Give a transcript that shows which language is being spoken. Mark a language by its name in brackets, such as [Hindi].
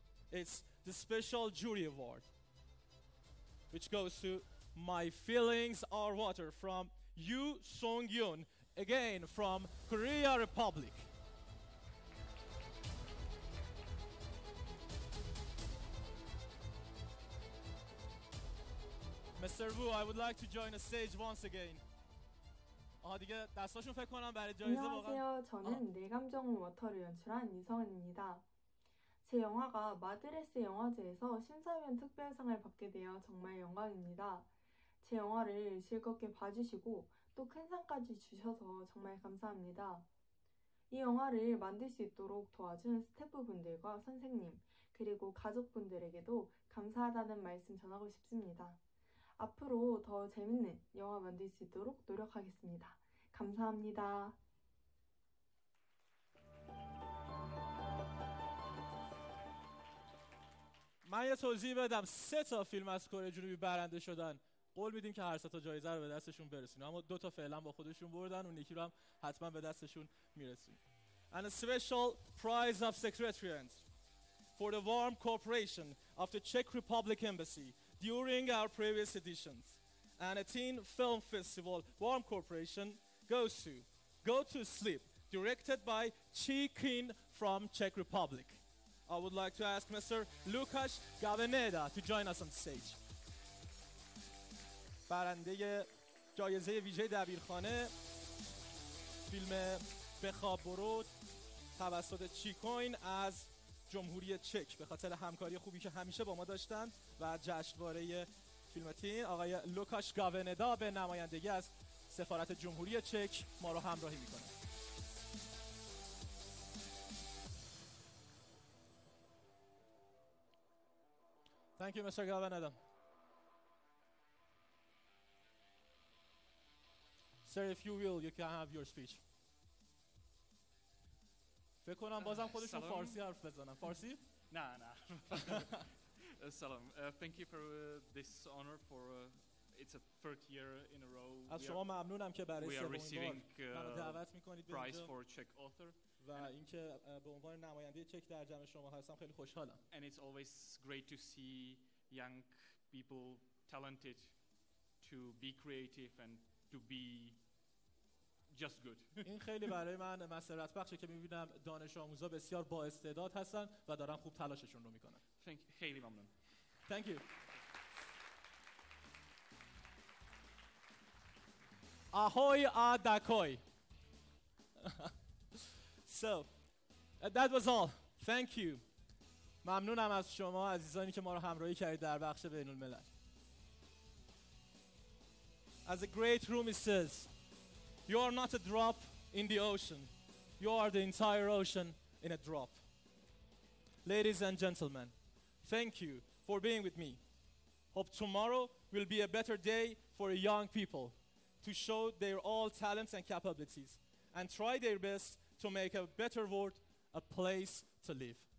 [English] It's the special jury award, which goes to My Feelings Are Water from Yoo Song-yoon, again from Korea Republic. Mr. Wu, I would like to join the stage once again. [Persian] آها دیگه دستاشون فکر کنم برای جایزه واقعا. [Korean] 안녕하세요. 저는 내 감정을 워터로 연출한 이성은입니다. 제 영화가 마드레스 영화제에서 심사위원 특별상을 받게 되어 정말 영광입니다. 제 영화를 즐겁게 봐주시고 또 큰 상까지 주셔서 정말 감사합니다. 이 영화를 만들 수 있도록 도와준 스태프분들과 선생님, 그리고 가족분들에게도 감사하다는 말씀 전하고 싶습니다. 앞으로 더 재밌는 영화 만들 수 있도록 노력하겠습니다. 감사합니다. [Persian] من یه توضیح بدم، سه تا فیلم از کره جنوبی برنده شدن. قول میدیم که هر سه تا جایزه رو به دستشون برسونیم، اما دو تا فعلا با خودشون بردن، اون یکی رو هم حتما به دستشون میرسونیم. [English] And a special prize of Secretariat for the warm cooperation of the Czech Republic Embassy during our previous editions. And a teen film festival warm cooperation goes to Go to Sleep, directed by Chi Kin from Czech Republic. I would like to ask Mr. Lukáš Gabeneda to join us on stage. [Persian] برنده جایزه ویژه دبیرخانه فیلم بخواب برو توسط چیکوین از جمهوری چک به خاطر همکاری خوبی که همیشه با ما داشتن و جشنواره فیلم تین آقای لوکاش گاونیدا به نمایندگی از سفارت جمهوری چک ما رو همراهی میکنه. [English] Thank you, Mr. Gavaneda. Sir, if you will, you can have your speech. [Persian] فکر کنم بازم خودشون فارسی حرف بزنن. فارسی؟ نه نه. سلام. [English] Thank you for this honor for it's a third year in a row. [Persian] از شما ممنونم که برای سومین بار. [English] We are receiving prize for Czech author. [Persian] و اینکه به عنوان نماینده چک در جمع شما هستم خیلی خوشحالم. [English] And it's always great to see young people talented to be creative and to be just good. [Persian] این خیلی برای من مسرت بخشه که می‌بینم دانش آموزا بسیار با استعداد هستن و دارن خوب تلاششون رو می‌کنن. [English] Thank you. [Persian] خیلی ممنون. [English] Thank you. Ahoy adakoy. So, that was all. Thank you. [Persian] ممنونم از شما عزیزانی که ما رو همراهی کردید در بخش بین الملل. [English] As the great Rumi says, you are not a drop in the ocean. You are the entire ocean in a drop. Ladies and gentlemen, thank you for being with me. Hope tomorrow will be a better day for young people to show their all talents and capabilities and try their best to make a better world a place to live.